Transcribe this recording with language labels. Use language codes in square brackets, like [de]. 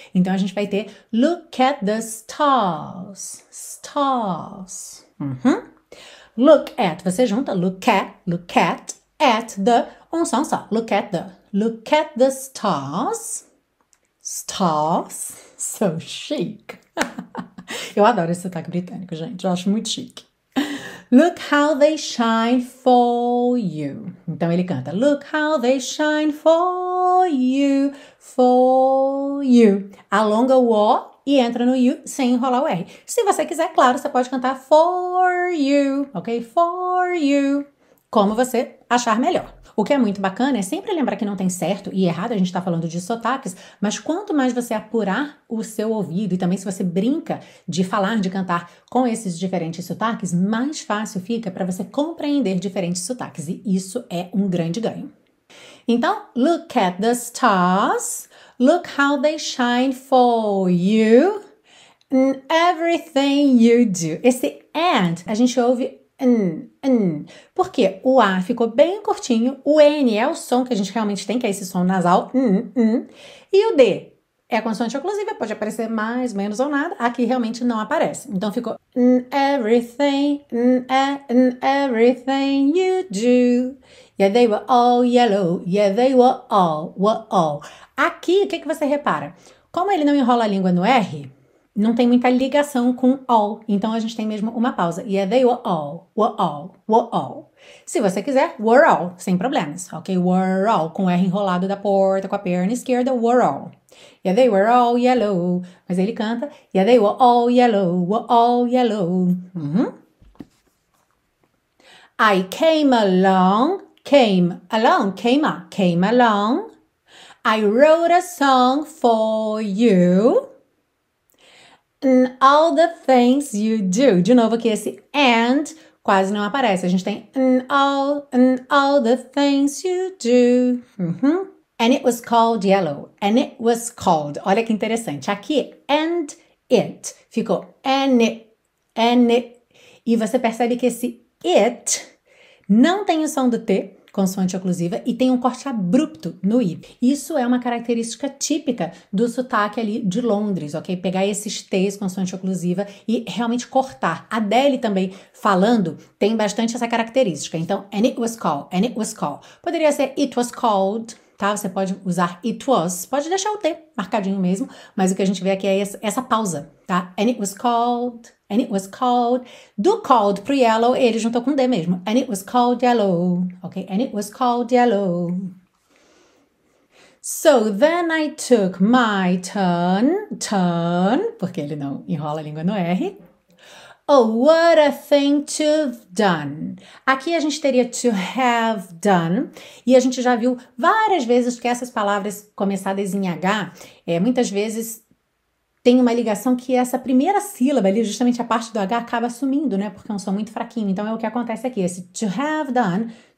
[pt] Então, a gente vai ter [en] look at the stars, stars. [pt] Uhum. [en] Look at, [pt] você junta, [en] look at the, [pt] um som só, [en] look at the stars, stars, so chic. [pt] Eu adoro esse sotaque britânico, gente, eu acho muito chique. [en] Look how they shine for you. [pt] Então ele canta, [en] look how they shine for you, [pt] alonga o O e entra no you sem enrolar o R. Se você quiser, claro, você pode cantar for you, ok? For you, como você achar melhor. O que é muito bacana é sempre lembrar que não tem certo e errado, a gente tá falando de sotaques, mas quanto mais você apurar o seu ouvido e também se você brinca de falar, de cantar com esses diferentes sotaques, mais fácil fica para você compreender diferentes sotaques e isso é um grande ganho. [en] Então, look at the stars, look how they shine for you, in everything you do. [pt] Esse and a gente ouve n. Porque o A ficou bem curtinho, o N é o som que a gente realmente tem, que é esse som nasal, n. E o D é a consoante oclusiva, pode aparecer mais, menos ou nada, aqui realmente não aparece. Então ficou [en] in everything you do. Yeah, they were all yellow. Yeah, they were all. [pt] Aqui, o que você repara? Como ele não enrola a língua no R, não tem muita ligação com all. Então, a gente tem mesmo uma pausa. [en] Yeah, they were all. [pt] Se você quiser, were all, sem problemas. Ok? Were all, com o R enrolado da porta, com a perna esquerda, were all. [en] Yeah, they were all yellow. [pt] Mas ele canta. [en] Yeah, they were all yellow, I came along. I wrote a song for you. And all the things you do. [pt] De novo aqui esse and quase não aparece. A gente tem [en] and all the things you do. And it was called yellow. And it was called. [pt] Olha que interessante. Aqui, [en] and it. Ficou and it. [pt] E você percebe que esse it não tem o som do T, consoante oclusiva, e tem um corte abrupto no I. Isso é uma característica típica do sotaque ali de Londres, ok? Pegar esses T's, consoante oclusiva, e realmente cortar. A Deli também, falando, tem bastante essa característica. [en] Então, and it was called. [pt] Poderia ser it was called, tá? Você pode usar it was, pode deixar o T marcadinho mesmo, mas o que a gente vê aqui é essa pausa, tá? [en] And it was called. [pt] Do called pro yellow, ele juntou com D mesmo. [en] And it was called yellow. Ok? And it was called yellow. So then I took my turn. [pt] Porque ele não enrola a língua no R. [en] Oh, what a thing to have done. [pt] Aqui a gente teria to have done. E a gente já viu várias vezes que essas palavras começadas em H, muitas vezes tem uma ligação que essa primeira sílaba ali, justamente a parte do H, acaba sumindo, né? Porque é um som muito fraquinho. Então, é o que acontece aqui. Esse [en] to have done.